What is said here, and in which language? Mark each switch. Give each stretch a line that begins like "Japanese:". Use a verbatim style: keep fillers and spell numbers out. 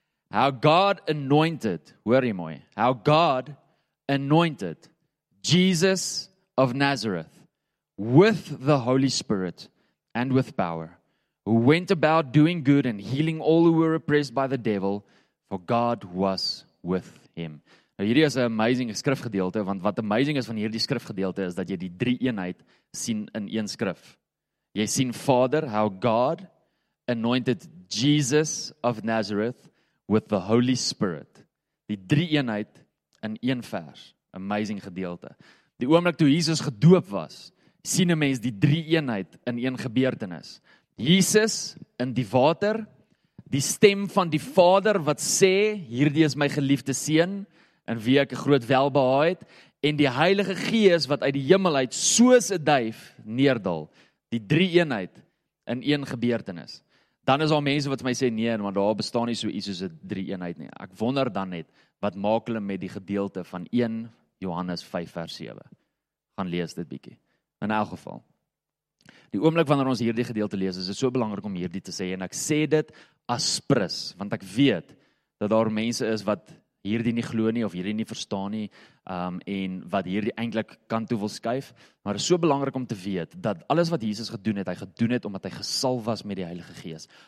English: How God anointed,
Afrikaans: hoor jy mooi,
English: how God anointed Jesus of Nazareth with the Holy Spirit and with power, who went about doing good and healing all who were oppressed by the devil, for God was with him.
Afrikaans: Nou hierdie is 'n amazing skrifgedeelte, want wat amazing is van hierdie skrifgedeelte is dat jy die drie eenheid sien in een skrif. Jy sien Vader,
English: how God anointed Jesus of Nazareth with the Holy Spirit.
Afrikaans: Die drie eenheid in een vers. Amazing gedeelte. Die oomblik toe Jesus gedoop was, sien 'n mens die drie eenheid in een gebeurtenis. Jesus in die water, die stem van die Vader wat sê, hierdie is my geliefde seun, in wie ek 'n groot welbehae het, en die Heilige Gees wat uit die hemel uit soos 'n duif neerdal. Die drie eenheid in een gebeurtenis. Dan is daar mense wat vir my sê, nee, want daar bestaan nie so iets soos 'n drie eenheid nie. Ek wonder dan net, wat maak hulle met die gedeelte van eerste Johannes vyf vers sewe? Gaan lees dit bietjie. In elk geval, die oomblik wanneer ons hierdie gedeelte lees, is dit so belangrik om hierdie te sê, en ek sê dit aspres, want ek weet dat daar mense is wat hierdie nie glo nie, of hierdie nie verstaan nie, um, en wat hierdie eintlik kan toe wil skuif, maar is so belangrik om te weet, dat alles wat Jesus gedoen het, hy gedoen het omdat hy gesalf was met die Heilige Gees.